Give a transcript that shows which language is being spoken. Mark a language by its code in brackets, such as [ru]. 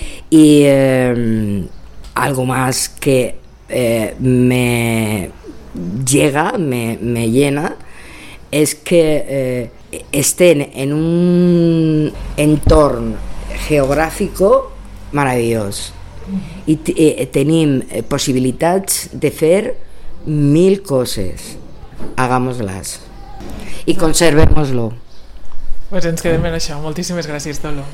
[ca] I algo més que [es] me llega, me llena, [ca] és que estén en un entorn geogràfic meravellós i tenim possibilitats de fer mil coses. [es] Hagámoslas i conservémoslo. [ca] Pues ens quedem en això. Moltíssimes gràcies, Dolo.